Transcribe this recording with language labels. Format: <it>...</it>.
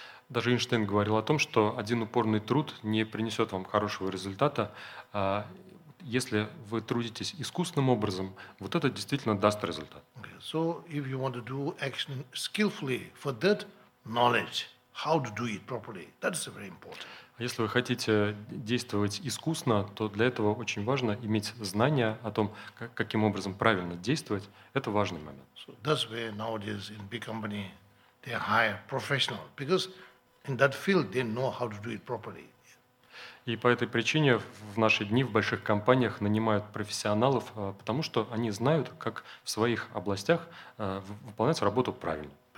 <ru>Даже Эйнштейн говорил о том, что один упорный труд не принесет вам хорошего результата. Если вы трудитесь искусным образом, вот это действительно даст результат.</ru> <en>Okay. So if you want to do action skillfully for that knowledge, how to do it properly, that is very important.</en> <ru>Если вы хотите действовать искусно, то для этого очень важно иметь знания о том, каким образом правильно действовать. Это важный момент.</ru> <en>So that's why nowadays in big company they hire professional, because in that field they know how to do it properly.</en> <ru>И по этой причине в наши дни в больших компаниях нанимают профессионалов, потому что они знают, как в своих областях выполнять работу правильно.</ru>